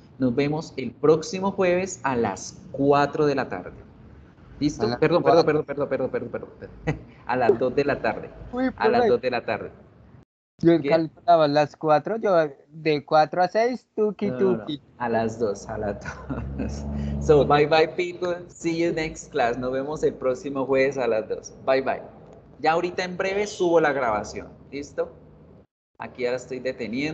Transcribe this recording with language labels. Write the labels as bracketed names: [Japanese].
[Spanish] Nos vemos el próximo jueves a las 4 de la tarde. ¿Listo? A las 2 de la tarde. A las 2 de la tarde. Yo calculaba las 4, yo de 4 a 6, tuki tuki. A las 2, a las 2. [English] So, bye bye people, see you next class. [Spanish] Nos vemos el próximo jueves a las 2. [English] Bye bye. [Spanish] Ya ahorita en breve subo la grabación. ¿Listo? Aquí ahora estoy deteniendo.